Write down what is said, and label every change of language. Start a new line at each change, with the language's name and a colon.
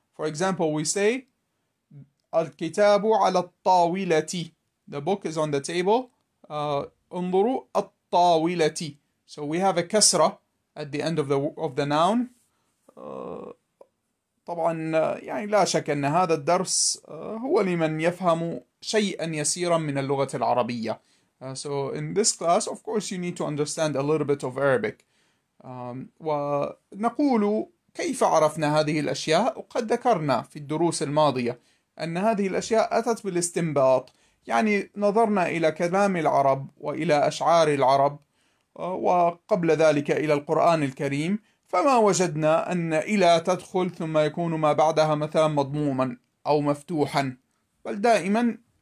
English: For example we say
Arabic: الكتاب على الطاولة،
English: the book is on the table،
Arabic: انظروا الطاولة،
English: so we have a كسرة at the end of the noun.
Arabic: طبعا يعني لا شك أن هذا الدرس هو لمن يفهم شيئا يسيرا من اللغة العربية.
English: So in this class of course you need to understand a little bit of Arabic.
Arabic: ونقول كيف عرفنا هذه الأشياء، وقد ذكرنا في الدروس الماضية أن هذه الأشياء أتت بالاستنباط، يعني نظرنا إلى كلام العرب وإلى أشعار العرب وقبل ذلك إلى القرآن الكريم، فما وجدنا أن إلى تدخل ثم يكون ما بعدها مثلا مضموما أو مفتوحا، بل دائما